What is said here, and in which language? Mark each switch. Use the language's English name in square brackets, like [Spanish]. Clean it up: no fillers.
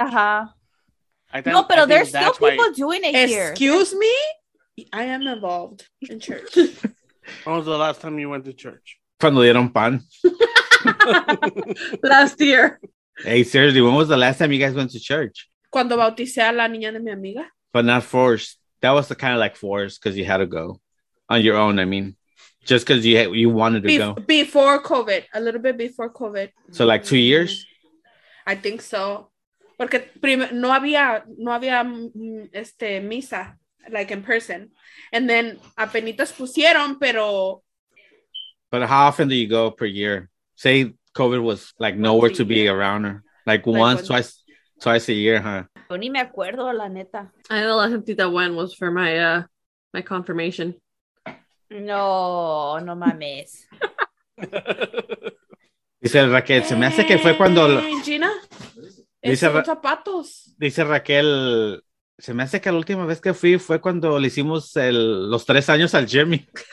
[English] Uh-huh. But there's still people doing it here. Excuse me? I am involved in church. When was the last time you went to church? [Spanish] Cuando dieron pan. [English] Last year. Hey, seriously, when was the last time you guys went to church? [Spanish] Cuando bauticé a la niña de mi amiga. [English] But not forced. That was the kind of like forced because you had to go. On your own, I mean. Just because you wanted to go. Before COVID. A little bit before COVID. So like 2 years? I think so. [Spanish] Porque no había misa, [English] like in person. And then [Spanish] apenitas pusieron, pero... [English] But how often do you go per year? Say COVID was like nowhere to be around her. Like once, twice a year, huh? [Spanish] Yo ni me acuerdo, la neta. [English] I know the last time that went was for my my confirmation. [Spanish] No mames. Dice Raquel, se me hace que fue cuando... Gina, zapatos. Dice Raquel, se me hace que la última vez que fui fue cuando le hicimos los 3 años al Jeremy.